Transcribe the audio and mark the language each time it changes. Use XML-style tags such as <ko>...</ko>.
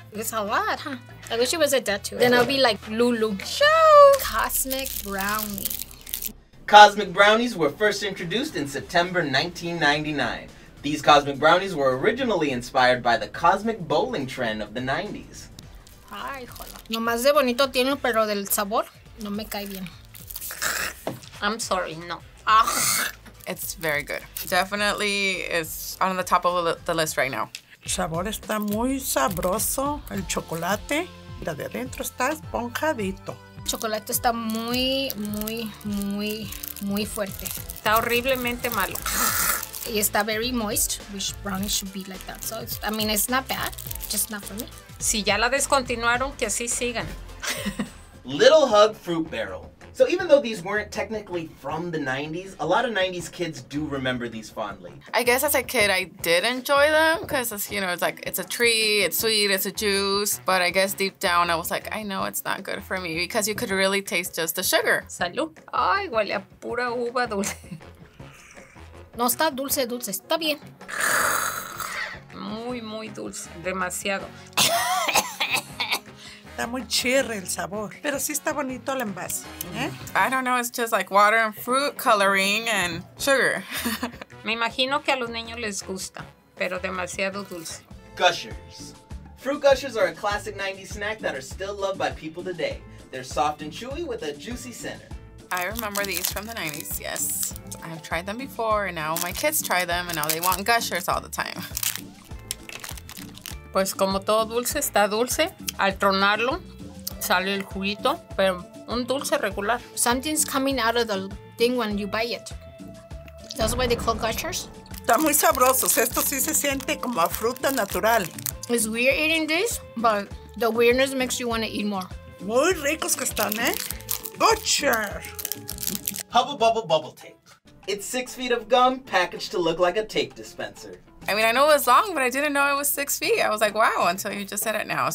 <en>It's a lot, huh? I wish it was a tattoo. Then I'll be like Lulu. Show! Cosmic brownie. Cosmic brownies were first introduced in September 1999. These cosmic brownies were originally inspired by the cosmic bowling trend of the 90s.</en> <es>Ay, jola. Nomás de bonito tiene, pero del sabor, no me cae bien.</es> <en>I'm sorry, no. Ah. It's very good. Definitely is on the top of the list right now.</en> <es>El sabor está muy sabroso. El chocolate, la de adentro está esponjadito. El chocolate está muy, muy, muy, muy fuerte. Está horriblemente malo. Y está</es> <en>very moist, which brownie should be like that. So, it's, I mean, it's not bad, just not for me.</en> <es>Si ya la descontinuaron, que así sigan.</es> <en>Little Hug Fruit Barrel. So even though these weren't technically from the 90s, a lot of 90s kids do remember these fondly. I guess as a kid, I did enjoy them because, you know, it's like, it's a treat, it's sweet, it's a juice. But I guess deep down, I was like, I know it's not good for me because you could really taste just the sugar.</en> <es>Salud. Ay, huele a pura uva dulce. No, está dulce, dulce. Está bien. Muy, muy dulce. Demasiado. Está muy chirre el sabor. Pero sí está bonito el envase. ¿Eh?</es> <en>I don't know. It's just like water and fruit coloring and sugar.</en> <es>Me imagino que a los niños les gusta, pero demasiado dulce.</es> <en>Gushers. Fruit gushers are a classic 90s snack that are still loved by people today. They're soft and chewy with a juicy center. I remember these from the 90s, yes. I've tried them before, and now my kids try them, and now they want gushers all the time.</en> <es>Pues como todo dulce, está dulce. Al tronarlo, sale el juguito, pero un dulce regular.</es> <en>Something's coming out of the thing when you bite it. That's why they call gushers.</en> <es>Está muy sabroso. Esto sí se siente como a fruta natural.</es> <en>It's weird eating this, but the weirdness makes you want to eat more.</en> <es>Muy ricos que están, eh? Butcher!</es> <en>Hubble Bubble Bubble Tape. It's 6 feet of gum packaged to look like a tape dispenser. I mean, I know it was long, but I didn't know it was 6 feet. I was like, wow, until you just said it now.</en>